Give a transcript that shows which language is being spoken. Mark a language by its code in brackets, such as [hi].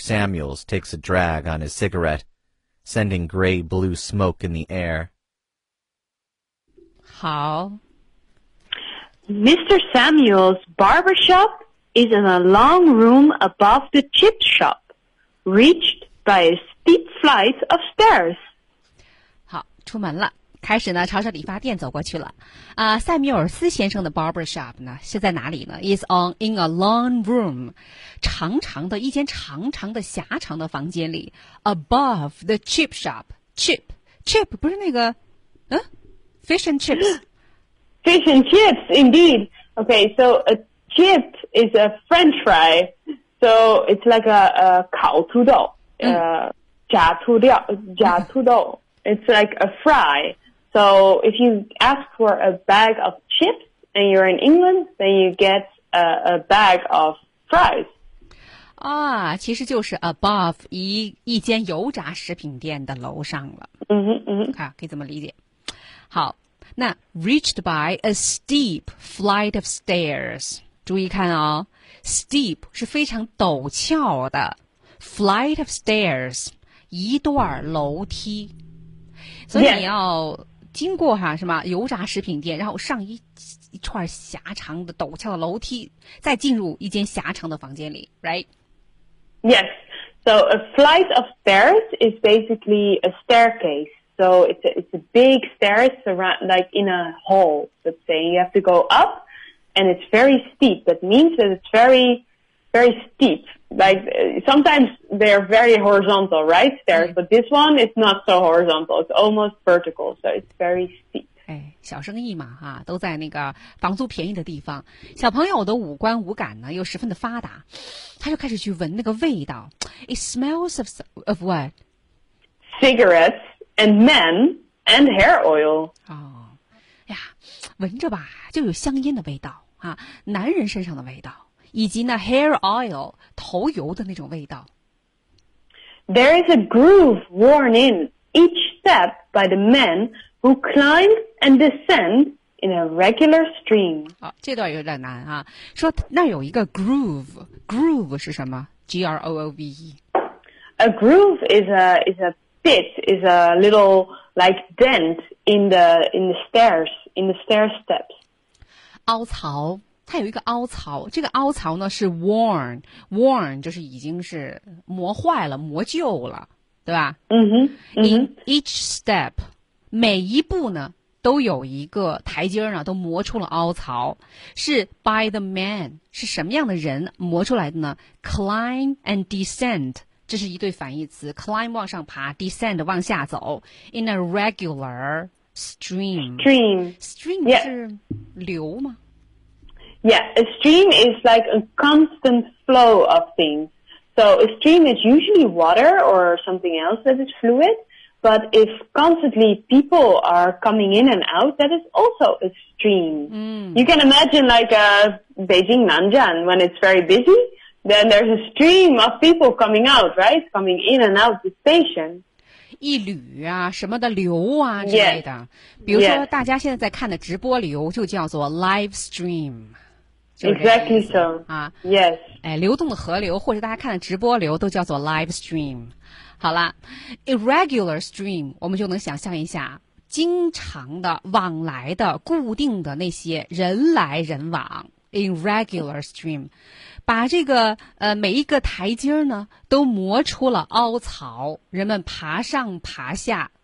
[en] Samuels takes a drag on his cigarette, sending gray-blue smoke in the air. How? Mr. Samuels' barber shop is in a long room above the chip shop. Reached by a steep flight of stairs. [zh] 好，出门了，开始呢，朝着理发店走过去了。啊，塞缪尔斯先生的 barber shop 呢是在哪里呢 ？ [en] Is on in a long room, [zh] 长长的一间长长的狭长的房间里 ， [en] above the chip shop. Chip [zh] 不是那个， [en] fish and chips. Fish and chips, indeed. Okay, so a chip is a French fry. So it's like a [zh] 烤土豆、炸土豆炸土豆 [en] It's like a fry. So if you ask for a bag of chips and you're in England, then you get a bag of fries. [zh] 啊，其实就是 above 一间油炸食品店的楼上了。嗯哼嗯哼，看可以怎么理解？ [en] 好，那 reached by a steep flight of stairs. [zh] 注意看哦。 Steep 是非常陡峭的 ，flight of stairs 一段楼梯，所以你要经过哈什么油炸食品店，然后上一串狭长的陡峭的楼梯，再进入一间狭长的房间里 ，right? [en] Yes. So a flight of stairs is basically a staircase. So it's a big stairs around like in a hall. Let's say you have to go up. And it's very steep. That means that it's very, very steep. Like, sometimes they're very horizontal, right? Stairs. But this one is not so horizontal. It's almost vertical. So it's very steep. [zh] 哎，小生意嘛，哈，都在那个房租便宜的地方。小朋友的五官五感呢，又十分的发达，他就开始去闻那个味道。 [en] It smells of what? Cigarettes and men and hair oil. [zh] 哦。哎呀，闻着吧，就有香烟的味道啊，男人身上的味道，以及那 hair oil 头油的那种味道。 [en] There is a groove worn in each step by the men who climb and descend in a regular stream。 [zh] 啊，这段有点难啊，说那有一个 groove 是什么 ？G R O O V E。 [en] A groove is a bit, is a little. Like dent in the stair steps. [zh] 凹槽，它有一个凹槽。这个凹槽呢是 worn 就是已经是磨坏了、磨旧了，对吧？嗯哼。 [en] In each step, [zh] 每一步呢都有一个台阶呢都磨出了凹槽。是 [en] by the man [zh] 是什么样的人磨出来的呢 ？ [en] Climb and descend. [zh] 这是一对反义词 ，climb 往上爬 ，descend 往下走 ， [en] in a regular stream、 yeah. [zh] 是流吗 [en] ？Yeah, a stream is like a constant flow of things. So a stream is usually water or something else that is fluid. But if constantly people are coming in and out, that is also a stream.、 Mm. You can imagine like a Beijing Nanjian when it's very busy. Then there's a stream of people coming out, right? Coming in and out the station. [zh] 一缕啊，什么的流啊之类的。 [en] Yes. [zh] 比如说，大家现在在看的直播流就叫做 live stream， [en] Exactly so. [zh] 啊 [en] ，Yes. [zh] 哎，流动的河流或者大家看的直播流都叫做 live stream。好了 ，irregular stream， 我们就能想象一下，经常的往来的固定的那些人来人往 ，irregular stream， 把这个每一个台阶呢都磨出了凹槽，人们爬上爬下。